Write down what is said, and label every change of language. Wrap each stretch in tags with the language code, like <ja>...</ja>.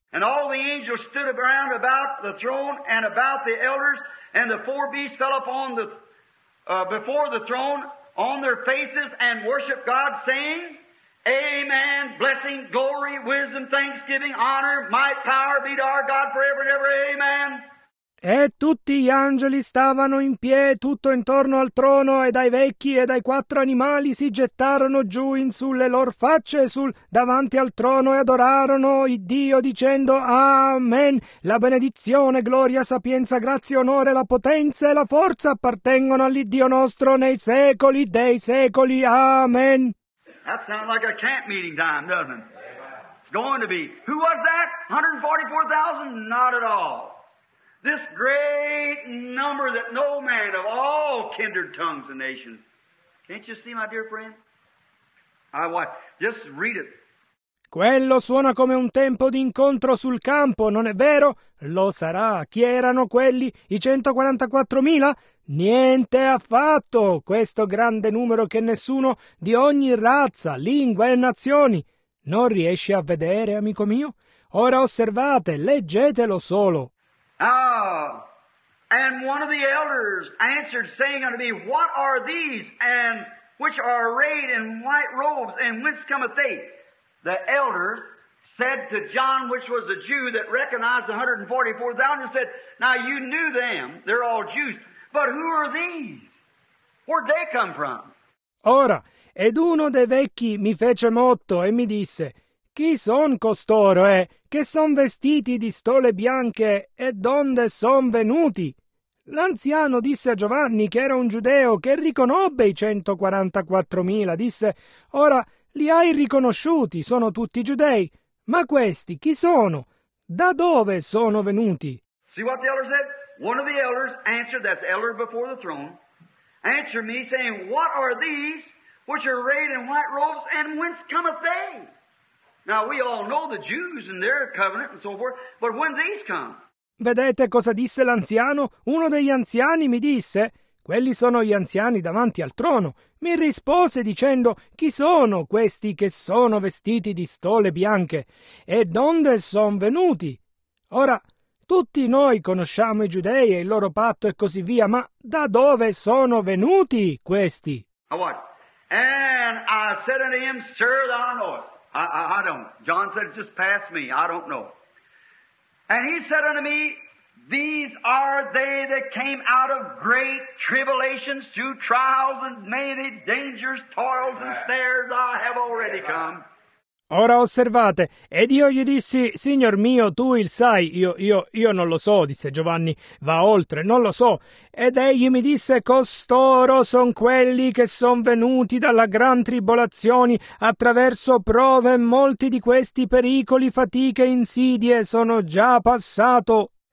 <en>And all the angels stood around about the throne and about the elders, and the four beasts fell upon the before the throne, on their faces, and worship God, saying, Amen, blessing, glory, wisdom, thanksgiving, honor, might, power be to our God forever and ever, Amen.</en> <it>E tutti gli angeli stavano in piedi tutto intorno al trono, e dai vecchi e dai quattro animali si gettarono giù in sulle loro facce sul davanti al trono e adorarono il Dio dicendo Amen. La benedizione, gloria, sapienza, grazia, onore, la potenza e la forza appartengono all'Iddio nostro nei secoli dei secoli. Amen.</it> <en>That sounds like a camp meeting time, doesn't it? It's going to be. Who was that? 144,000? Not at all. This great number that no man of all kindred tongues and nations. Can't you see, my dear friend? I watch. Just read it.</en> <it>Quello suona come un tempo di incontro sul campo, non è vero? Lo sarà. Chi erano quelli? I 144,000? Niente affatto! Questo grande numero che nessuno di ogni razza, lingua e nazioni non riesce a vedere, amico mio. Ora osservate, leggetelo solo.</it> <en>Ah, and one of the elders answered, saying unto me, what are these, and which are arrayed in white robes, and whence cometh they? The elders said to John, which was a Jew that recognized the 144,000, and said, now you knew them, they're all Jews, but who are these? Where'd they come from?</en> <it>Ora, ed uno dei vecchi mi fece motto e mi disse, chi son costoro, che son vestiti di stole bianche e donde son venuti? L'anziano disse a Giovanni, che era un giudeo, che riconobbe i 144,000, disse, ora, li hai riconosciuti, sono tutti giudei, ma questi chi sono? Da dove sono venuti?</it> <en>See what the elder said? One of the elders answered, that's elder before the throne, answered me saying, what are these which are arrayed in white robes and whence cometh they? Now we all know the Jews and their covenant and so forth, but when these come?</en> <it>Vedete cosa disse l'anziano? Uno degli anziani mi disse, quelli sono gli anziani davanti al trono. Mi rispose dicendo, chi sono questi che sono vestiti di stole bianche? E donde son venuti? Ora, tutti noi conosciamo i giudei e il loro patto e così via, ma da dove sono venuti questi?</it> <en>And I said unto him, sir, thou knowest. I don't. John said, just pass me. I don't know. And he said unto me, these are they that came out of great tribulations through trials and many dangers, toils and snares I have already come.</en> <it>Ora osservate, ed io gli dissi, signor mio, tu il sai, io non lo so, disse Giovanni, va oltre, non lo so. Ed egli mi disse, costoro son quelli che son venuti dalla gran tribolazione attraverso prove, molti di questi pericoli, fatiche, insidie sono già passato.</it>